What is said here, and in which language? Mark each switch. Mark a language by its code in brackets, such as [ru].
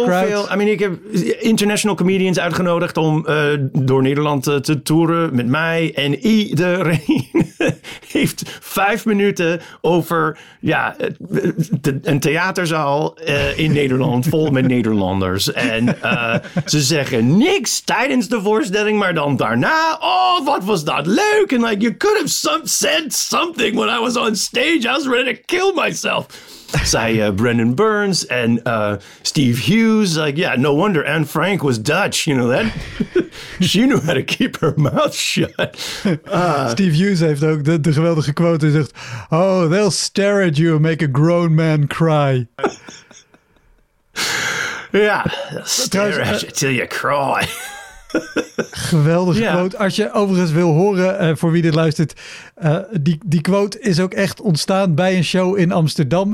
[nl] Er zijn zoveel. [en] I mean, [nl] ik heb international comedians uitgenodigd om door Nederland te toeren met mij. En iedereen heeft 5 minuten over ja, een theaterzaal in Nederland vol met Nederlanders. En ze zeggen niks tijdens de voorstelling, maar dan daarna. Oh, wat was dat leuk? [en] And like, you could have said something when I was on stage. I was ready to kill myself. [nl] Zei Brendan Burns en Steve Hughes. [en] Like, yeah, no wonder Anne Frank was Dutch. You know that? She knew how to keep her mouth shut. [nl] Steve Hughes heeft ook de geweldige quote. Hij zegt, [en] oh, they'll stare at you and make a grown man cry. Yeah, stare at you till you cry. [nl] Geweldige yeah. quote. Als je overigens wil horen, voor wie dit luistert, die quote is ook echt ontstaan bij een show in Amsterdam.